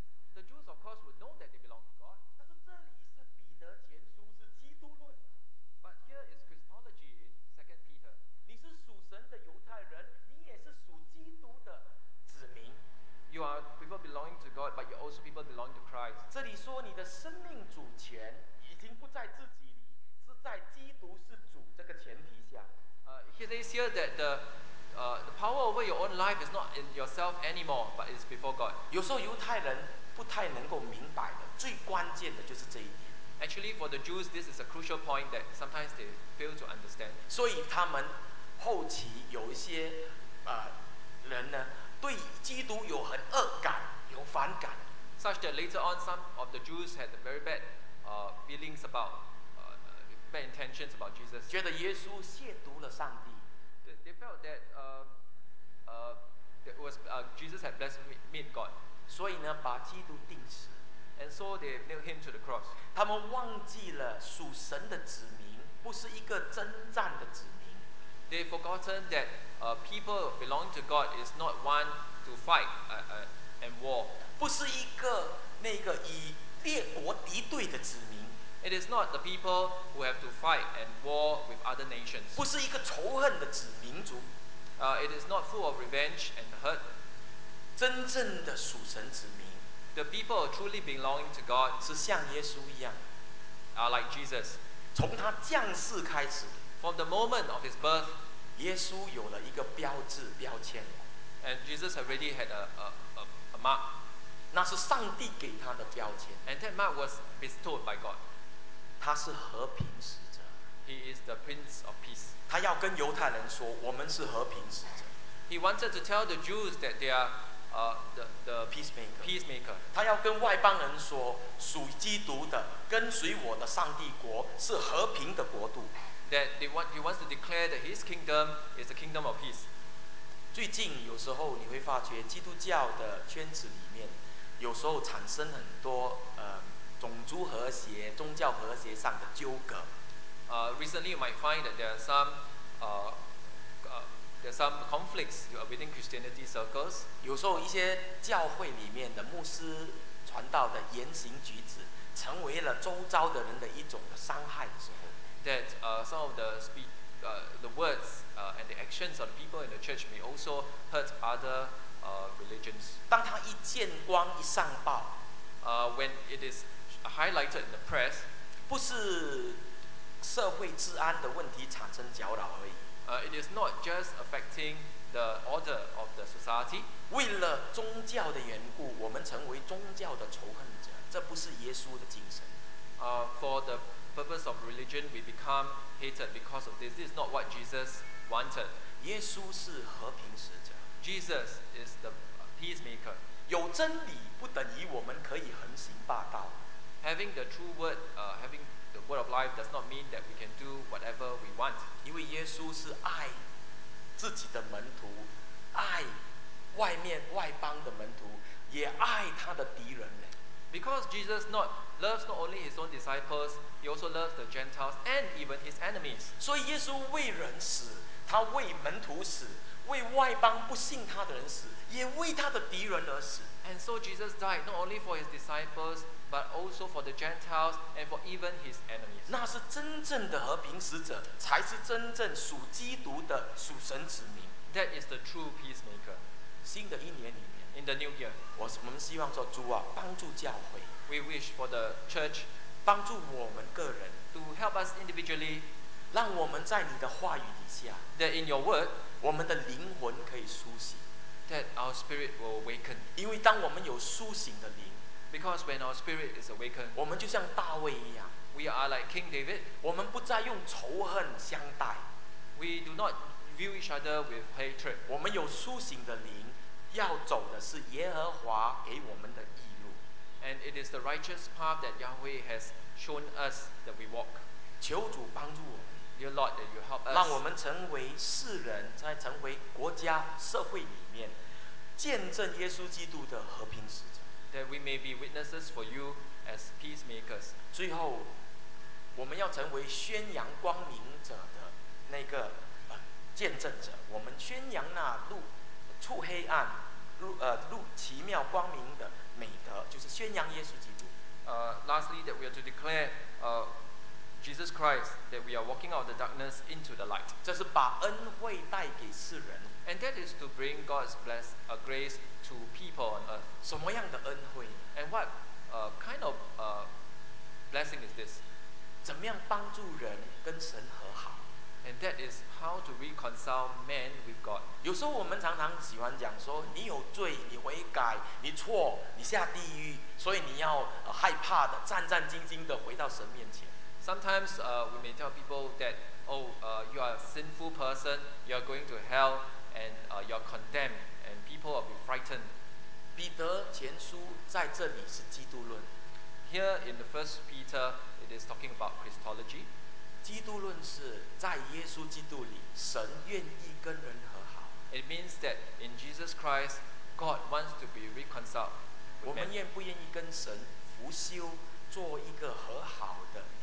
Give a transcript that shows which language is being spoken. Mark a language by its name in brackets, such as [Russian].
[English] The Jews, of course, would know that they belong to God. [Chinese] 但是这里是彼得前书，是基督论。 [English] But here is Christology in 2 Peter. [Chinese] 你是属神的犹太人，你也是属基督的子民。 [English] You are people belonging to God, but you're also people belonging to Christ. [Chinese] 这里说你的生命主权已经不在自己里，是在基督是主这个前提下。 [English] It is here that the power over your own life is not in yourself anymore, but it's before God. [Chinese] 有时候犹太人不太能够明白的最关键的就是这一点。 [English] Actually for the Jews this is a crucial point that sometimes they fail to understand. [Chinese] 所以他们后期有一些人呢对基督有很恶感，有反感。 [English] Such that later on some of the Jews had very bad feelings about bad intentions about Jesus. [Chinese] 觉得耶稣亵渎了上帝。 [English] They felt that Jesus had blasphemed God. [Chinese] 所以呢，把基督钉死。 [English] And so they nailed him to the cross. [Chinese] 他们忘记了属神的子民不是一个征战的子民。 [English] They've forgotten that people belonging to God is not one to fight and war. [Chinese] 不是一个那个以列国敌对的子民。 [English] It is not the people who have to fight and war with other nations. [Chinese] 不是一个仇恨的子民族。 [English] It is not full of revenge and hurt. [Chinese] 真正的属神子民 [English] The people truly belonging to God [Chinese] 是像耶稣一样 [English] are like Jesus [Chinese] 从他降世开始 [English] from the moment of his birth [Chinese] 耶稣有了一个标志标签 [English] and Jesus already had a mark [Chinese] 那是上帝给他的标签 [English] and that mark was bestowed by God [Chinese] 他是和平使者 [English] he is the prince of peace [Chinese] 他要跟犹太人说我们是和平使者 [English] he wanted to tell the Jews that they areThe peacemaker. [Chinese] 他要跟外邦人说，属基督的，跟随我的上帝国是和平的国度。 [English] That he wants to declare that his kingdom is the kingdom of peace. [Chinese] 最近有时候你会发觉，基督教的圈子里面，有时候产生很多种族和谐、宗教和谐上的纠葛。 [English] Recently, you might find that there are some conflicts within Christianity circles. [Chinese] 有时候一些教会里面的牧师传道的言行举止，成为了周遭的人的一种的伤害的时候。 [English] That some of the words and the actions of the people in the church may also hurt other religions. [Chinese] 当他一见光一上报。 [English] When it is highlighted in the press, [Chinese] 不是社会治安的问题产生搅扰而已。 [English] It is not just affecting the order of the society. [Chinese] 为了宗教的缘故，我们成为宗教的仇恨者，这不是耶稣的精神。 [English] For the purpose of religion, we become hated because of this. This is not what Jesus wanted. [Chinese] 耶稣是和平使者。 [English] Jesus is the peacemaker. [Chinese] 有真理不等于我们可以横行霸道。 [English] Having the true word, having the word of life does not mean that we can do whatever we want. [Chinese] 因为耶稣是爱自己的门徒，爱外面外邦的门徒，也爱他的敌人。 [English] Because Jesus loves not only his own disciples, he also loves the Gentiles and even his enemies. [Chinese] 所以耶稣为人死，他为门徒死，为外邦不信他的人死，也为他的敌人而死。 [English] And so Jesus died not only for his disciples, but also for the Gentiles and for even his enemies. [Chinese] 那是真正的和平使者，才是真正属基督的属神子民。 [English] That is the true peacemaker. [Chinese] 新的一年里面 [English] ，In the new year, [Chinese] 我们希望说主啊，帮助教会。 [English] We wish for the church, [Chinese] 帮助我们个人 [English] ，to help us individually, [Chinese] 让我们在你的话语底下 [English] ，that in your word, [Chinese] 我们的灵魂可以苏醒。 [English] That our spirit will awaken. [Chinese] 因为当我们有苏醒的灵 [English] ，because when our spirit is awakened, [Chinese] 我们就像大卫一样 [English] ，we are like King David. [Chinese] 我们不再用仇恨相待 [English] ，we do not view each other with hatred. [Chinese] 我们有苏醒的灵，要走的是耶和华给我们的义路 [English] ，and it is the righteous path that Yahweh has shown us that we walk. [Chinese] 求主帮助我们。 [English] Dear Lord, that you help us. [Chinese] 让我们成为世人，再成为国家、社会里面见证耶稣基督的和平使者。 [English] That we may be witnesses for you as peacemakers. [Chinese] 最后，我们要成为宣扬光明者的那个见证者。我们宣扬那路出黑暗，路奇妙光明的美德，就是宣扬耶稣基督。 [English] Lastly, that we are to declare. Jesus Christ, that we are walking out of the darkness into the light. [Chinese] 这是把恩惠带给世人。 [English] And that is to bring God's grace to people on earth. [Chinese] 什么样的恩惠？ [English] And what kind of blessing is this? [Chinese] 怎么样帮助人跟神和好？ [English] And that is how to reconcile man with God. [Chinese] 有时候我们常常喜欢讲说，你有罪，你悔改，你错，你下地狱，所以你要害怕的，战战兢兢的回到神面前。 [English] Sometimes we may tell people that, you are a sinful person, you are going to hell, and you are condemned, and people will be frightened. [Chinese] 彼得前书在这里是基督论。 [English] Here in the first Peter, it is talking about Christology. [Chinese] 基督论是在耶稣基督里，神愿意跟人和好。 [English] It means that in Jesus Christ, God wants to be reconciled. [Chinese] 我们愿不愿意跟神复修，做一个和好的？